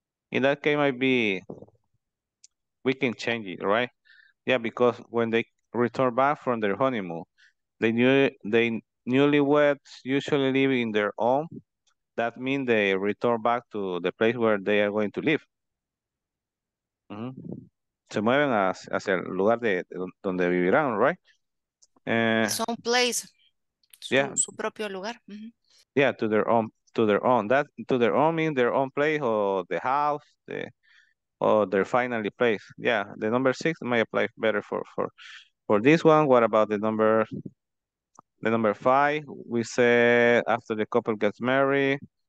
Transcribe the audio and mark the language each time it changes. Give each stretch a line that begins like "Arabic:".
English: In that case, might be. We can change it, right? Yeah, because when they return back from their honeymoon, they newlyweds usually live in their own. That means they return back to the place where they are going to live. Mm-hmm.
Spanish: Se mueven hacia el lugar de donde vivirán, right?
English: Some place.
Spanish: Su propio lugar. Mm-hmm.
English: Yeah, to their own. That to their own means their own place or the house. Oh, they're finally placed. Yeah, the number six may apply better for this one. What about the number five? We said after the couple gets married.